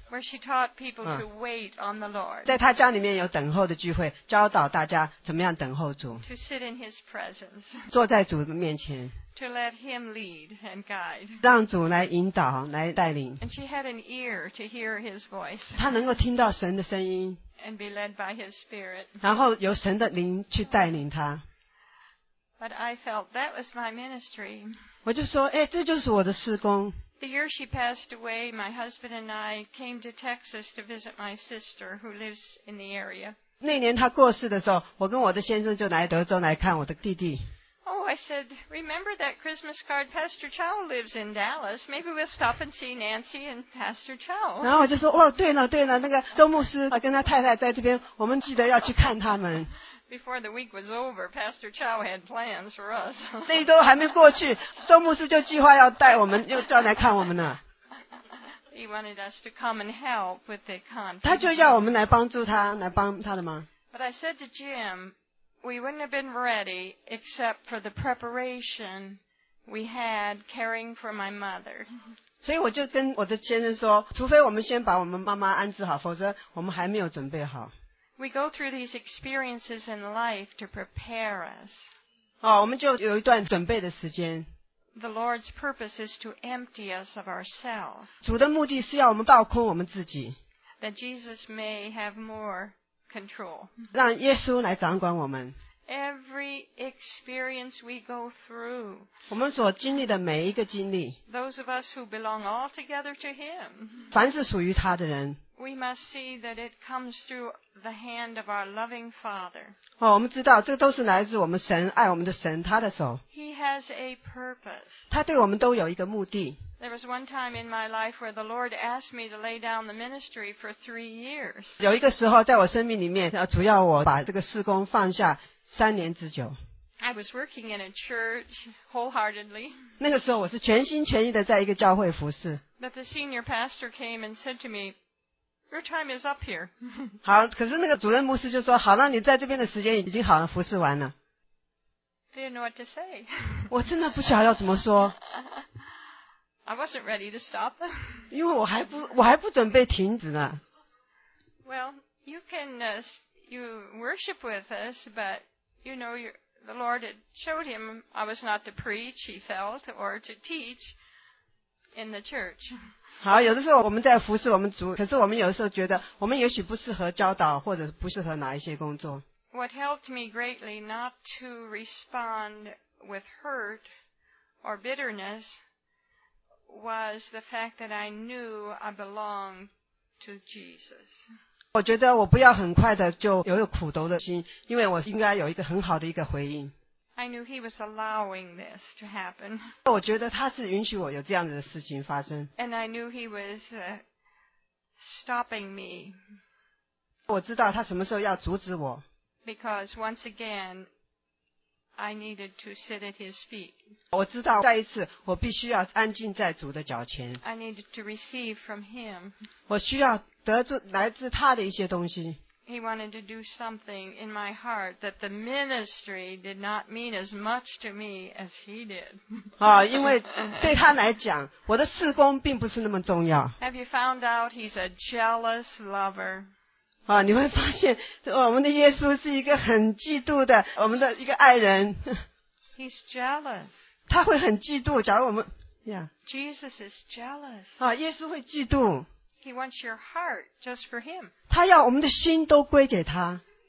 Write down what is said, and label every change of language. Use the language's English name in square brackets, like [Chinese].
[English] Where she taught people to wait on the Lord. [Chinese] 在他家里面有等候的聚会，教导大家怎么样等候主。 [English] To sit in his presence. [Chinese] 坐在主面前。 [English] To let him lead and guide. [Chinese] 让主来引导，来带领。 [English] And she had an ear to hear his voice. [Chinese] 他能够听到神的声音。 [English] And be led by his spirit. [Chinese] 然后由神的灵去带领他。 [English] But I felt that was my ministry. [Chinese] 我就说，哎，这就是我的事工。 [English] The year she passed away, my husband and I came to Texas to visit my sister who lives in the area. [Chinese] 那年她过世的时候，我跟我的先生就来德州来看我的弟弟。 [English] Oh, I said, remember that Christmas card? Pastor Chow lives in Dallas. Maybe we'll stop and see Nancy and Pastor Chow. [Chinese] 然后我就说，哦，对了对了，那个周牧师跟他太太在这边，我们记得要去看他们。 [English] Before the week was over, Pastor Chow had plans for us. [Chinese] 那一周还没过去，周牧师就计划要带我们，又叫来看我们了。 [English] He wanted us to come and help with the conference. [Chinese] 他就要我们来帮助他，来帮他的吗？ [English] But I said to Jim, we wouldn't have been ready except for the preparation we had caring for my mother. [Chinese] 所以我就跟我的先生说，除非我们先把我们妈妈安置好，否则我们还没有准备好。 [English] We go through these experiences in life to prepare us. [Chinese] 哦，我们就有一段准备的时间。 [English] The Lord's purpose is to empty us of ourselves. [Chinese] 主的目的是要我们倒空我们自己。 [English] That Jesus may have more control. [Chinese] 让耶稣来掌管我们。 [English] Every experience we go through. [Chinese] 我们所经历的每一个经历。 [English] Those of us who belong altogether to Him. [Chinese] 凡是属于他的人。 [English] We must see that it comes through the hand of our loving Father. [Chinese] 哦，我们知道，这都是来自我们神，爱我们的神，他的手。 [English] He has a purpose. [Chinese] 他对我们都有一个目的。 [English] There was one time in my life where the Lord asked me to lay down the ministry for 3 years. [Chinese] 有一个时候，在我生命里面，主要我把这个事工放下三年之久。 [English] I was working in a church wholeheartedly. [Chinese] 那个时候，我是全心全意的在一个教会服事。 [English] But the senior pastor came and said to me,Your time is up here. [Chinese] 好，可是那个主任牧师就说，好了，你在这边的时间已经好了，服侍完了。 [English] Didn't know what to say. [Chinese] 我真的不晓得要怎么说。 [English] I wasn't ready to stop. [Chinese] 因为我还不准备停止呢。 [English] Well, you can, you worship with us, but you know, the Lord had showed him I was not to preach, he felt, or to teach in the church. [Chinese] 好，有的时候我们在服侍我们主，可是我们有的时候觉得我们也许不适合教导，或者不适合哪一些工作。 [English] What helped me greatly not to respond with hurt or bitterness was the fact that I knew I belonged to Jesus. [Chinese] 我觉得我不要很快的就有苦毒的心，因为我应该有一个很好的一个回应。 [English] I knew he was allowing this to happen. [Chinese] 我觉得他是允许我有这样的事情发生。 [English] And I knew he was stopping me. [Chinese] 我知道他什么时候要阻止我。 [English] Because once again, I needed to sit at his feet. [Chinese] 我知道再一次我必须要安静在主的脚前。 [English] I needed to receive from him. [Chinese] 我需要得知来自他的一些东西。 [English] He wanted to do something in my heart that the ministry did not mean as much to me as he did. [Chinese] 啊，因为对他来讲，我的事工并不是那么重要。 [English] Have you found out he's a jealous lover? [Chinese] 啊，你会发现，我们的耶稣是一个很嫉妒的，我们的一个爱人。 [English] He's jealous. [Chinese] 他会很嫉妒，假如我们 ，Yeah. [English] Jesus is jealous. [Chinese] 啊，耶稣会嫉妒。 [English] He wants your heart just for him. [Chinese] 他要我们的心都归给他。